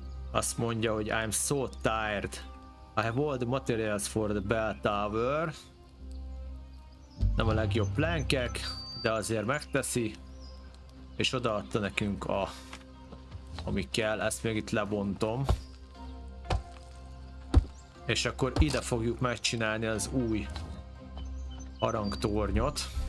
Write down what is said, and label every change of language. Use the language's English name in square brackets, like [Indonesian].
[Hungarian] Azt mondja, hogy [English] I'm so tired. I have all the materials for the bell tower. [Hungarian] Nem a legjobb plankek. De azért megteszi, és odaadta nekünk a, ami kell, ezt még itt lebontom. És akkor ide fogjuk megcsinálni az új arangtornyot.